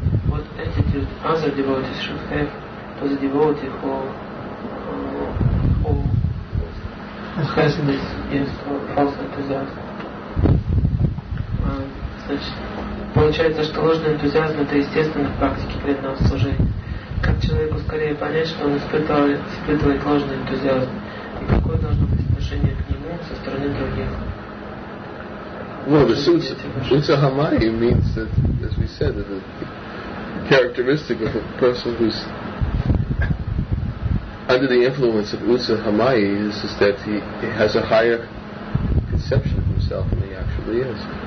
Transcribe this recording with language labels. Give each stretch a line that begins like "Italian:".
English: What attitude other devotees should have to the devotee who has this false enthusiasm?
Russian: Значит, получается, что ложный энтузиазм — это естественно в практике преданного служения. Как человеку скорее понять, что он испытывает ложный энтузиазм, и какое должно быть отношение к нему со стороны других?
English: Well, the sutta-hamayi means that, as we said, the characteristic of a person who's under the influence of utsa-hamayi is that he has a higher conception of himself than he actually is.